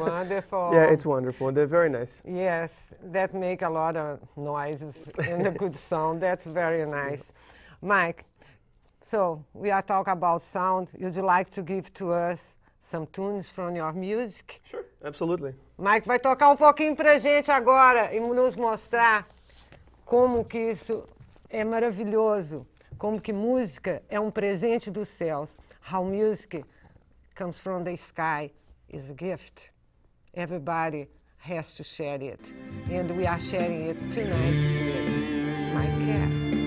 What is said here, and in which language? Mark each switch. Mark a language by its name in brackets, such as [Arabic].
[English] Wonderful. Yeah, it's wonderful. They're very nice. Yes, that make a lot of noises and a good sound. That's very nice. Yeah. Mike, so we are talking about sound. Would you like to give to us some tunes from your music? Sure, absolutely. [Portuguese] Mike vai tocar um pouquinho pra gente agora e nos mostrar como que isso é maravilhoso, como que música é um presente dos céus. [English] How music comes from the sky is a gift. Everybody has to share it. And we are sharing it tonight with Mike Kerr.